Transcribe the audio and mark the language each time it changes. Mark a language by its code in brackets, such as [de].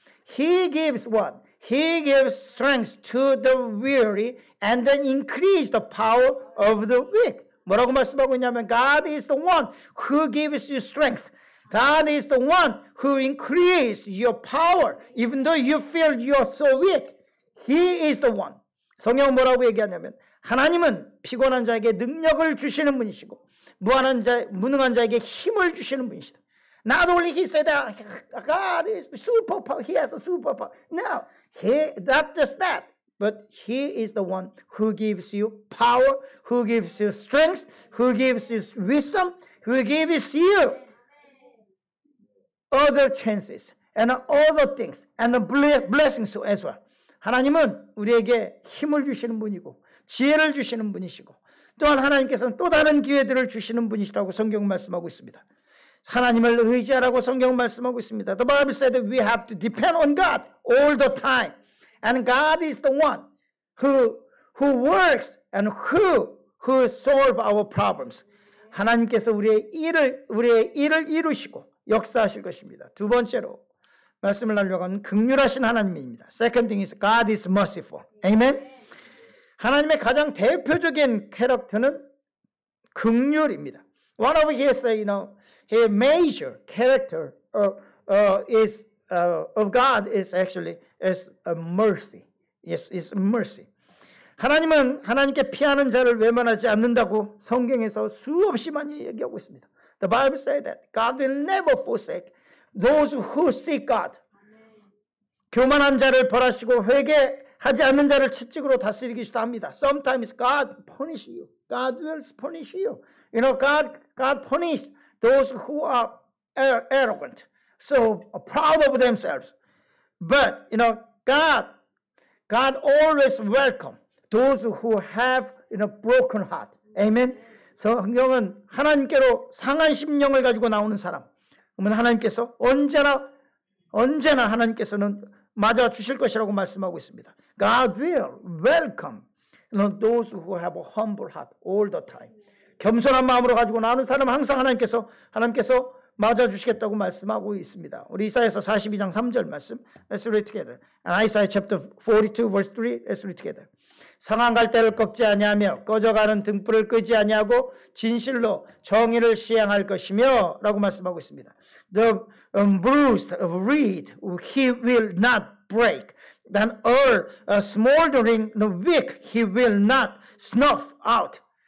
[en] He gives strength to the weary and then increase the power of the weak. [ko] 뭐라고 말씀하고 있냐면 [en] God is the one who gives you strength. God is the one who increases your power even though you feel you're so weak. He is the one. [ko] 성경은 뭐라고 얘기하냐면 하나님은 피곤한 자에게 능력을 주시는 분이시고 무능한 자에게 힘을 주시는 분이시다. [en] Not only he said that God is superpower. He has a superpower. No, he not just that, but he is the one who gives you power, who gives you strength, who gives you wisdom, who gives you other chances and other things and blessings as well. [ko] 하나님은 우리에게 힘을 주시는 분이고 지혜를 주시는 분이시고 또한 하나님께서는 또 다른 기회들을 주시는 분이시라고 성경은 말씀하고 있습니다. 하나님을 의지하라고 성경은 말씀하고 있습니다. [en] The Bible said that we have to depend on God all the time. And God is the one who works and who solve our problems. [ko] 하나님께서 우리의 일을 이루시고 역사하실 것입니다. 두 번째로 말씀을 나누려고 하는 긍휼하신 하나님입니다. [en] Second thing is God is merciful. Amen? [ko] 하나님의 가장 대표적인 캐릭터는 긍휼입니다. [en] One of his, you know, his major character of God is actually mercy. Yes, it's mercy. [ko] 하나님은 하나님께 피하는 자를 외면하지 않는다고 성경에서 수없이 많이 얘기하고 있습니다. [en] The Bible said that God will never forsake those who seek God. [ko] 교만한 자를 벌하시고 회개하지 않는 자를 채찍으로 다스리기도 합니다. [en] Sometimes God punish you. God will punish you. You know, God punish those who are arrogant, so proud of themselves. But, you know, God always welcome those who have, you know, broken heart. Amen. [ko] 성경은 하나님께로 상한 심령을 가지고 나오는 사람, 그러면 하나님께서 언제나 하나님께서는 맞아 주실 것이라고 말씀하고 있습니다. [en] God will welcome, you know, those who have a humble heart all the time. [ko] 겸손한 마음으로 가지고 나오는 사람 항상 하나님께서 맞아 주시겠다고 말씀하고 있습니다. 우리 이사야서 42장 3절 말씀. [en] Let's read together. And Isaiah chapter 42 verse 3. Let's read together. [ko] 상한 갈대를 꺾지 아니하며 꺼져가는 등불을 끄지 아니하고 진실로 정의를 시행할 것이며라고 말씀하고 있습니다. [en] The bruised reed he will not break. Then a smoldering wick he will not snuff out.